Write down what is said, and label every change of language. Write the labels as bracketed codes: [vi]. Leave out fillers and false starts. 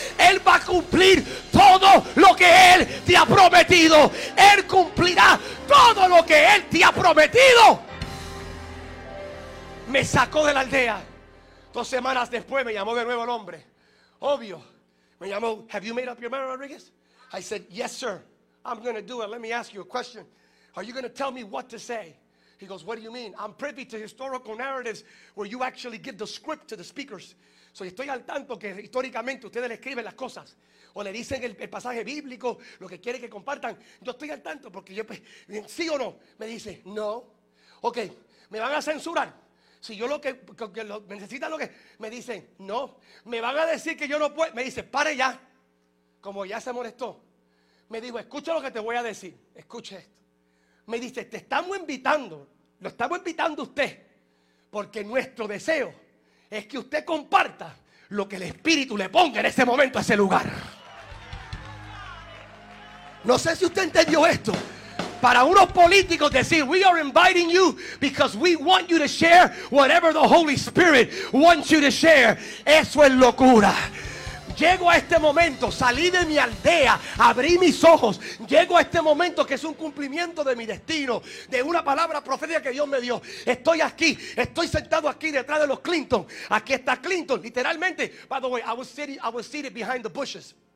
[es] Él va a cumplir todo lo que Él te ha prometido. Él cumplirá todo lo que Él te ha prometido. Me sacó de la aldea. 2 semanas después me llamó de nuevo el hombre. Obvio. Me llamó, [en] have you made up your mind, Rodriguez? I said, yes, sir. I'm going to do it. Let me ask you a question. Are you going to tell me what to say? He goes, what do you mean? I'm privy to historical narratives where you actually give the script to the speakers. [es] So estoy al tanto que históricamente ustedes le escriben las cosas. O le dicen el pasaje bíblico, lo que quieren que compartan. Yo estoy al tanto porque yo, sí o no, me dice, no. Ok, me van a censurar. Si yo lo que lo, necesita lo que me dicen, no, me van a decir que yo no puedo. Me dice, pare ya. Como ya se molestó, me dijo, escucha lo que te voy a decir. Escuche esto. Me dice, te estamos invitando. Lo estamos invitando a usted. Porque nuestro deseo es que usted comparta lo que el Espíritu le ponga en ese momento a ese lugar. No sé si usted entendió esto. Para unos políticos decir, [en] we are inviting you because we want you to share whatever the Holy Spirit wants you to share. [es] Eso es locura. Llego a este momento, salí de mi aldea, abrí mis ojos. Llego a este momento que es un cumplimiento de mi destino, de una palabra profética que Dios me dio. Estoy aquí, estoy sentado aquí detrás de los Clinton. Aquí está Clinton, literalmente. [en] By the way, I was seated behind the bushes.